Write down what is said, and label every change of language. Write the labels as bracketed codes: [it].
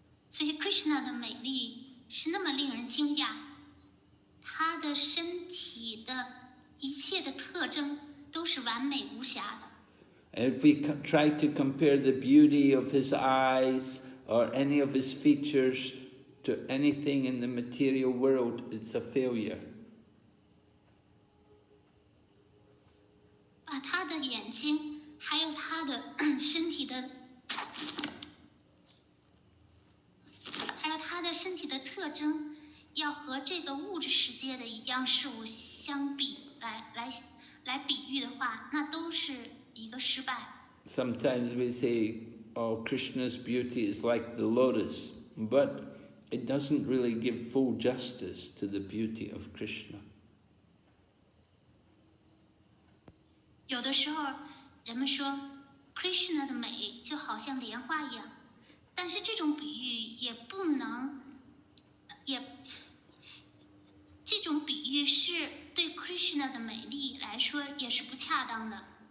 [zh] 所以 Krishna 的美丽是那么令人惊讶，他的身体的一切的特征都是完美无瑕的。 [en] If we try to compare the beauty of his eyes or any of his features to anything in the material world, it's a failure. [zh] 把他的眼睛还有他的身体的身体的特征要和这个物质世界的一样事物相比来比喻的话，那都是一个失败。 [en] Sometimes we say, oh, Krishna's beauty is like the lotus, but it doesn't really give full justice to the beauty of Krishna. [zh] 有的时候人们说 Krishna 的美就好像莲花一样，但是这种比喻也不能也这种比喻是对 Krishna 的美丽来说也是不恰当的。